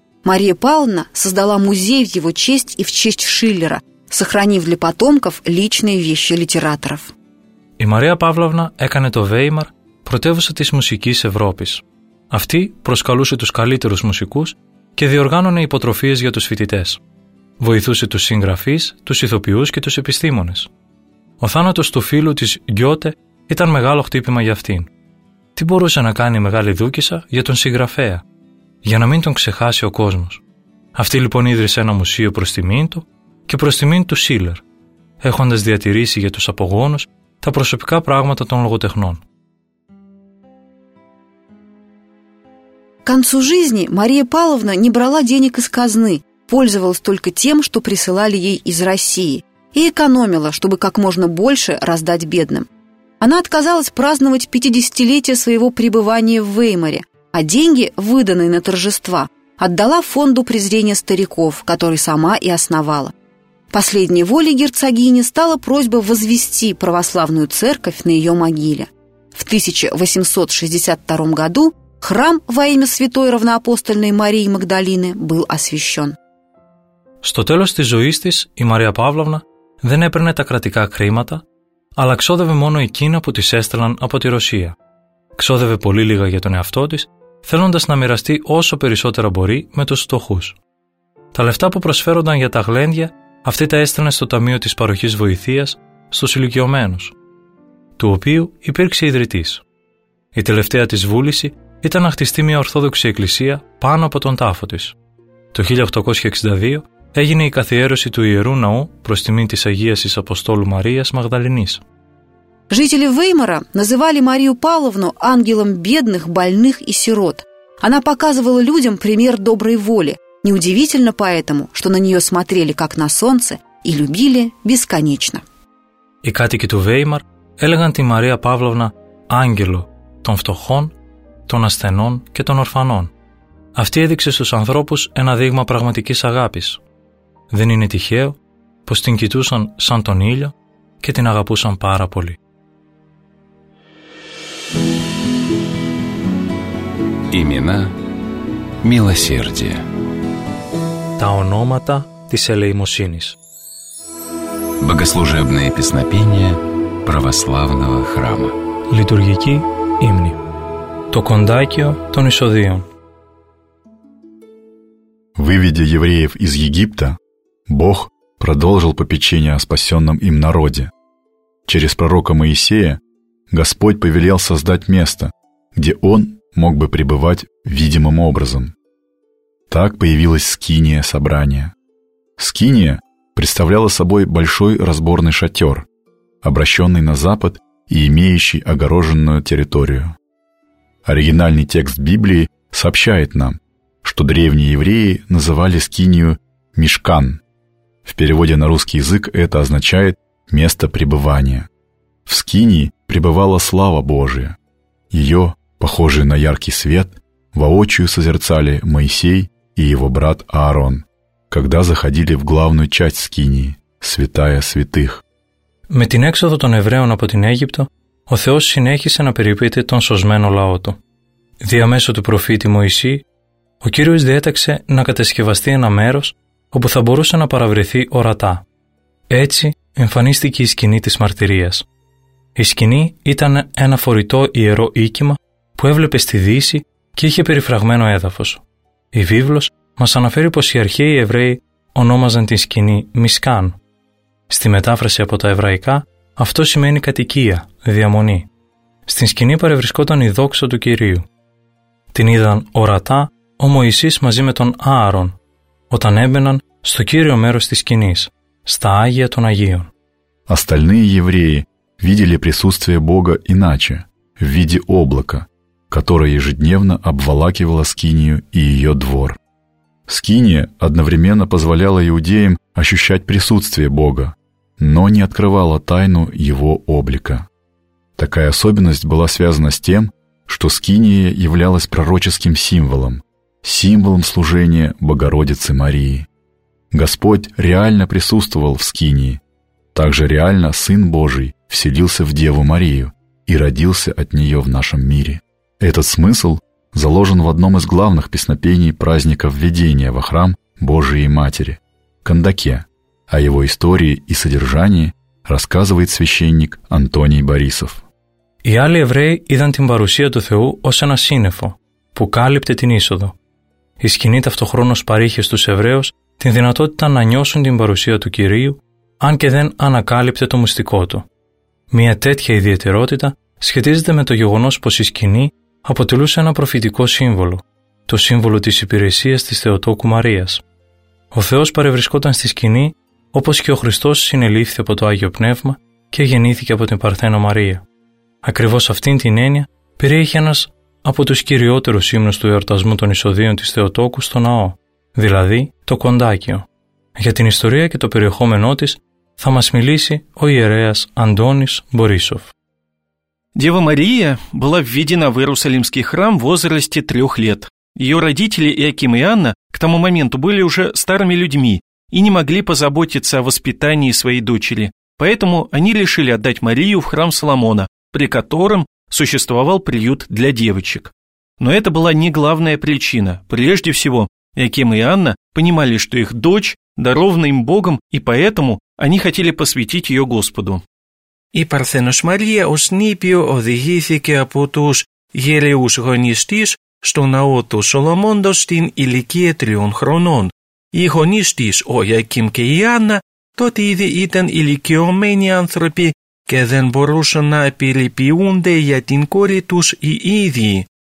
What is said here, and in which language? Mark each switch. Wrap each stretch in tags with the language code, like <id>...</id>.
<ru>Мария Павловна создала музей в его честь и в честь Шиллера, сохранив для потомков личные вещи литераторов. И Мария Павловна</ru> <el>έκανε το Веймар πρωτεύουσα της μουσικής Ευρώπης. Αυτή προσκαλούσε τους καλύτερους μουσικούς και διοργάνωνε υποτροφίες για τους φοιτητές. Βοηθούσε τους συγγραφείς, τους ηθοποιούς και τους επιστήμονες. Ο θάνατος του φίλου της Γκιώτε ήταν μεγάλο χτύπημα για αυτήν. Τι μπορούσε να κάνει η μεγάλη δούκισσα για τον συγγραφέα, για να μην τον ξεχάσει ο κόσμος? Αυτή λοιπόν ίδρυσε ένα μουσείο προς τιμήν του και προς τιμήν του Σίλερ, έχοντας διατηρήσει για τους απογόνους τα προσωπικά πράγματα των λογοτεχνών.</el> <ru>К концу жизни Мария Павловна не брала денег из казны, пользовалась только тем, что присылали ей из России, и экономила, чтобы как можно больше раздать бедным. Она отказалась праздновать 50-летие своего пребывания в Веймаре, а деньги, выданные на торжества, отдала фонду презрения стариков, который сама и основала. Последней волей герцогини стала просьба возвести православную церковь на ее могиле. В 1862 году храм во имя святой равноапостольной Марии Магдалины был освящен.</ru> <el>Στο τέλος της ζωής της, η Μαρία Παύλωνα δεν έπαιρνε τα κρατικά χρήματα, αλλά ξόδευε μόνο εκείνα που της έστελαν από τη Ρωσία. Ξόδευε πολύ λίγα για τον εαυτό της, θέλοντας να μοιραστεί όσο περισσότερα μπορεί με τους φτωχούς. Τα λεφτά που προσφέρονταν για τα γλέντια, αυτή τα έστελνε στο Ταμείο της Παροχής Βοηθείας στους ηλικιωμένους, του οποίου υπήρξε ιδρυτής. Η τελευταία της βούληση ήταν να χτιστεί μια Ορθόδοξη Εκκλησία πάνω από τον τάφο της. Το 1862 έγινε η καθιέρωση του Ιερού Ναού προς τιμή της Αγίας της Αποστόλου Μαρίας Μαγδαληνής.</el> <ru>Жители Веймара называли Марию Павловну ангелом бедных, больных и сирот. Она показывала людям пример доброй воли. Неудивительно поэтому, что на нее смотрели как на солнце и любили бесконечно.</ru> <el>Οι κάτοικοι του Веймар έλεγαν τη Μαρία Παύλωνα «άγγελο των φτωχών, των ασθενών και των ορφανών». Αυτή έδειξε στους ανθρώπους ένα δείγμα πραγματικής αγάπης. Δεν είναι τυχαίο πως την κοιτούσαν σαν τον ήλιο και την αγαπούσαν πάρα πολύ.</el> <ru>Имена милосердия.</ru> <el>Τα ονόματα της ελεημοσύνης.</el> <ru>Богослужебные песнопения православного храма.</ru> <el>Λειτουργική ύμνη. Το κοντάκιο των εισοδίων.</el> <ru>Выведя евреев из Египта, Бог продолжил попечение о спасенном им народе. Через пророка Моисея Господь повелел создать место, где он мог бы пребывать видимым образом. Так появилась скиния собрания. Скиния представляла собой большой разборный шатер, обращенный на запад и имеющий огороженную территорию. Оригинальный текст Библии сообщает нам, что древние евреи называли скинию «мишкан». В переводе на русский язык это означает «место пребывания». В скинии пребывала слава Божия. Ее, похожую на яркий свет, воочию созерцали Моисей и его брат Аарон, когда заходили в главную часть скинии, святая святых.</ru> <el>Με την έξοδο των Εβραίων από την Αίγυπτο, ο Θεός συνέχισε να περιποιείται τον σωσμένο λαό του. Διαμέσου του προφήτη Μωυσή, ο Κύριος διέταξε να κατασκευαστεί ένα μέρος όπου θα μπορούσε να παραβρεθεί ορατά. Έτσι εμφανίστηκε η σκηνή της μαρτυρίας. Η σκηνή ήταν ένα φορητό ιερό οίκημα που έβλεπε στη δύση και είχε περιφραγμένο έδαφος. Η Βίβλος μας αναφέρει πως οι αρχαίοι Εβραίοι ονόμαζαν την σκηνή Μισκάν. Στη μετάφραση από τα εβραϊκά αυτό σημαίνει κατοικία, διαμονή. Στην σκηνή παρευρισκόταν η δόξα του Κυρίου. Την είδαν ορατά ο Μωυσής μαζί με τον Άαρον όταν έμπαιναν στο κύριο μέρος της σκηνής, στα Άγια των Αγίων.</el> <ru>Остальные евреи видели присутствие Бога иначе, в виде облака, которое ежедневно обволакивало скинию и ее двор. Скиния одновременно позволяла иудеям ощущать присутствие Бога, но не открывала тайну его облика. Такая особенность была связана с тем, что скиния являлась пророческим символом, символом служения Богородицы Марии. Господь реально присутствовал в скинии. Также реально Сын Божий вселился в Деву Марию и родился от нее в нашем мире. Этот смысл заложен в одном из главных песнопений праздника введения во храм Божией Матери – Кандаке. О его истории и содержании рассказывает священник Антоний Борисов.</ru> <el>Οι άλλοι Εβραίοι είδαν την παρουσία του Θεού ως ένα σύννεφο που κάλυπτε την είσοδο. Η σκηνή ταυτοχρόνως παρήχε στους Εβραίους την δυνατότητα να νιώσουν την παρουσία του Κυρίου, αν και δεν ανακάλυπτε το μυστικό του. Μια τέτοια ιδιαιτερότητα σχετίζεται με το γεγονός πως η σκηνή αποτελούσε ένα προφητικό σύμβολο, το σύμβολο της υπηρεσίας της Θεοτόκου Μαρίας. Ο Θεός παρευρισκόταν στη σκηνή όπως και ο Χριστός συνελήφθη από το Άγιο Πνεύμα και γεννήθηκε από την Παρθένο Μαρία. Ακριβώς αυτήν την έννοια περιείχε ένας από τους κυριότερους ύμνους του εορτασμού των εισοδίων της Θεοτόκου στο ναό, δηλαδή το Κοντάκιο. Για την ιστορία και το περιεχόμενό της θα μας μιλήσει ο ιερέας Αντώνης Μπορίσοφ.</el> <ru>Дева Мария была введена в Иерусалимский храм в возрасте 3 лет. Ее родители Иоаким и Анна к тому моменту были уже старыми людьми и не могли позаботиться о воспитании своей дочери. Поэтому они решили отдать Марию в храм Соломона, при котором существовал приют для девочек. Но это была не главная причина. Прежде всего, Иоаким и Анна понимали, что их дочь дарована им Богом, и поэтому они хотели посвятить ее Господу.</ru> <el>Η Παρθένος Μαρία ως νήπιο οδηγήθηκε από τους γελαιούς γονείς της στο ναό του Σολομώντος στην ηλικία 3 χρονών. Οι γονείς της, ο Ιακίμ και η Άννα, τότε ήδη ήταν ηλικιωμένοι άνθρωποι και δεν μπορούσαν να περιποιούνται για την κόρη τους οι ίδιοι.</el>